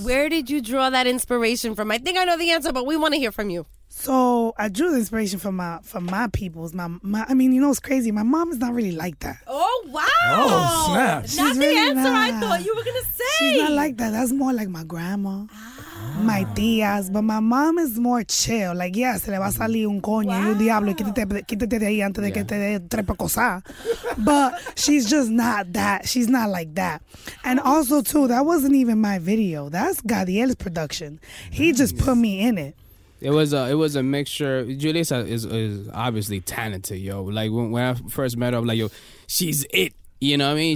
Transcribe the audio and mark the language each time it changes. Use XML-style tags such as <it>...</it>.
<en>Where did you draw that inspiration from? I think I know the answer, but we want to hear from you. So I drew the inspiration from my peoples. My I mean, you know, it's crazy. My mom is not really like that. Oh wow! Oh snap! She's not really the answer not, I thought you were gonna say. She's not like that. That's more like my grandma. Ah. My tías, but my mom is more chill. Like, yeah,</en> <es>se le va a salir un coño, wow. un diablo, quítate de ahí antes de que te dé trepa cosa.</es> <en>But she's just not that. She's not like that. And also, too, that wasn't even my video. That's Gadiel's production. He just put me in it. It was a mixture. Julissa is obviously talented, yo. Like, when I first met her, I'm like, yo, she's it. You know what I mean?</en>